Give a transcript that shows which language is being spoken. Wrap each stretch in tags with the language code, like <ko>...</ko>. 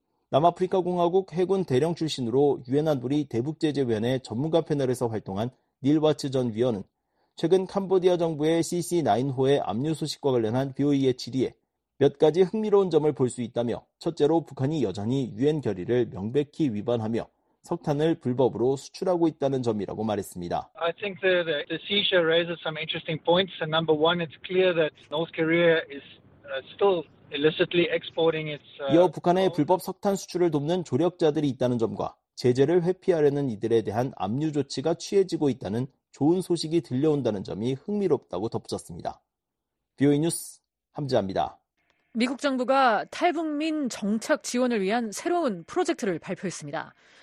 <ko>남아프리카공화국 해군 대령 출신으로 유엔 안보리 대북제재위원회 전문가 패널에서 활동한 닐 와츠 전 위원은 최근 캄보디아 정부의 CC9호의 압류 소식과 관련한 BOE의 질의에 몇 가지 흥미로운 점을 볼 수 있다며 첫째로 북한이 여전히 유엔 결의를 명백히 위반하며 석탄을 불법으로 수출하고 있다는 점이라고 말했습니다.</ko> <en>I think the seizure raises some interesting points. And number one, it's clear that North Korea is still illicitly exporting its.</en> <ko>이어 북한의 불법 석탄 수출을 돕는 조력자들이 있다는 점과 제재를 회피하려는 이들에 대한 압류 조치가 취해지고 있다는 좋은 소식이 들려온다는 점이 흥미롭다고 덧붙였습니다. BOE 뉴스 함지아입니다. 미국 정부가 탈북민 정착 지원을 위한 새로운 프로젝트를 발표했습니다.</ko>